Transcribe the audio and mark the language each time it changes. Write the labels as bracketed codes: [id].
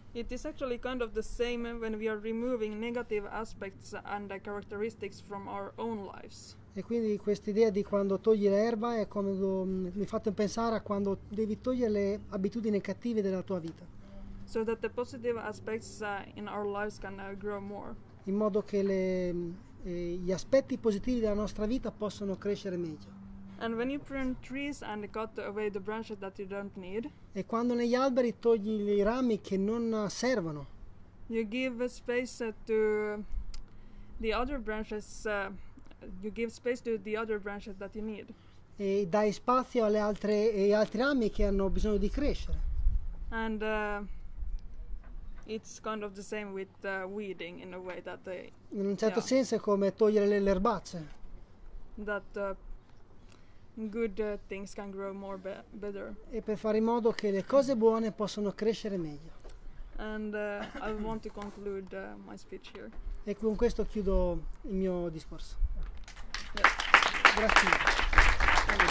[en] It is actually kind of the same when we are removing negative aspects and characteristics from our own lives. [it] E quindi questa idea di quando togli l'erba è come mi ha fatto pensare a quando devi togliere le abitudini cattive della tua vita. [en] So that the positive aspects in our lives can grow more. [it] In modo che gli aspetti positivi della nostra vita possono crescere meglio. [en] And when you prune trees and cut away the branches that you don't need. [it] E quando negli alberi togli i rami che non servono. [en] You give space to the other branches. You give space to the other branches that you need. [it] E dai spazio alle altre e altri rami che hanno bisogno di crescere. [en] And it's kind of the same with weeding in a way that they. [it] In un certo senso è come togliere le erbacce. [en] That good things can grow more better. [it] E per fare in modo che le cose buone possano crescere meglio. [en] And I want to conclude my speech here. [it] E con questo chiudo il mio discorso. [en] Yes. [it] Grazie.